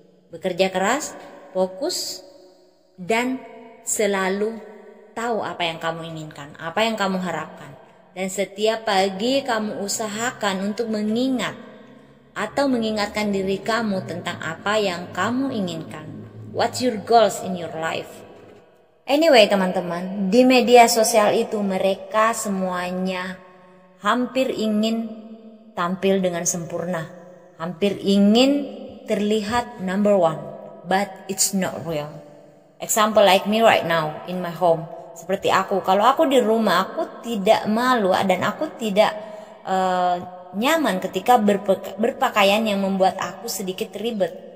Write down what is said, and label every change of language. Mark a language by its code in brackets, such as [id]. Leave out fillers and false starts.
[id] Bekerja keras, fokus, dan selalu tahu apa yang kamu inginkan, apa yang kamu harapkan. Dan setiap pagi kamu usahakan untuk mengingat atau mengingatkan diri kamu tentang apa yang kamu inginkan. [en] What's your goals in your life? [id] Anyway teman-teman, di media sosial itu mereka semuanya hampir ingin tampil dengan sempurna. Hampir ingin terlihat [en] number one. But it's not real. Example like me right now in my home. [id] Seperti aku, kalau aku di rumah aku tidak malu dan aku tidak nyaman ketika berpakaian yang membuat aku sedikit ribet.